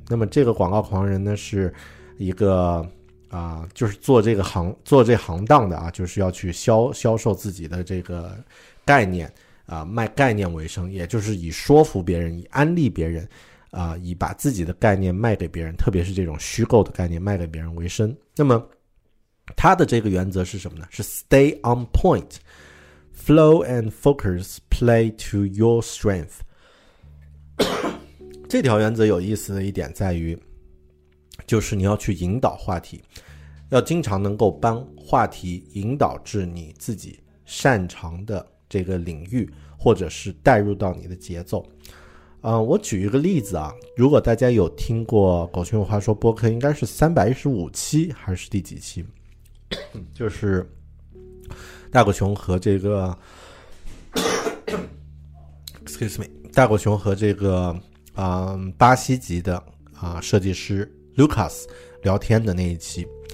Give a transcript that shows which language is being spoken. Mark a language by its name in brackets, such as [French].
[Chinese] 那么这个广告狂人呢是一个就是做这行当的啊，就是要去销售自己的这个概念啊，卖概念为生，也就是以说服别人，以安利别人啊，以把自己的概念卖给别人，特别是这种虚构的概念卖给别人为生。那么他的这个原则是什么呢？ [English] 是 stay on point, flow and focus, play to your strength。 [Chinese] 这条原则有意思的一点在于，就是你要去引导话题，要经常能够帮话题引导至你自己擅长的这个领域，或者是带入到你的节奏。我举一个例子啊，如果大家有听过狗熊有话说播客，应该是315期还是第几期，就是大狗熊和这个 [English] excuse me [Chinese] 大狗熊和这个巴西籍的设计师 Lucas 聊天的那一期。